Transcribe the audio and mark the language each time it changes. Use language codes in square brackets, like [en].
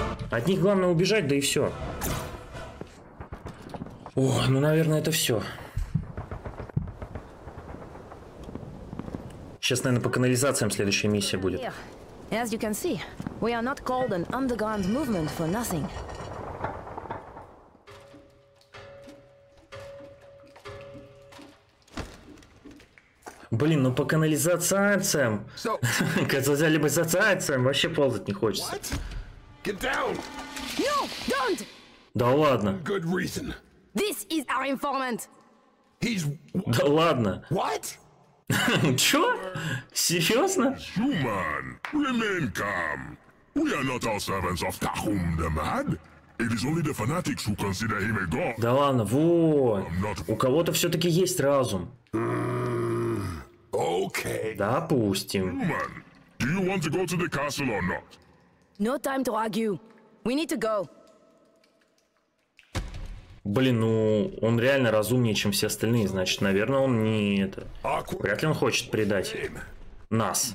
[ru] От них главное убежать, да и все. О, ну, наверное, это все. Сейчас, наверное, по канализациям следующая миссия будет. [en] As you can see, we are not called an underground movement for nothing. [ru] Блин, ну по канализациям. Казалось, либо за цаациям вообще ползать не хочется. [en] Get down! No, don't! [ru] Да ладно. [en] Good reason. This is our informant. He's... [ru] Да ладно. [en] What? [ru] Чё? Серьезно? [en] Human, remain calm. We are not all servants of Tahum the Mad. It is only the fanatics who consider him a god. [ru] Да ладно, вот. [en] Not... [ru] У кого-то все-таки есть разум. [en] Okay. [ru] Допустим. [en] Human, do you want to go to the castle or not? No time to argue. We need to go. [ru] Блин, ну он реально разумнее, чем все остальные, значит, наверное, он не это. Вряд ли он хочет предать нас.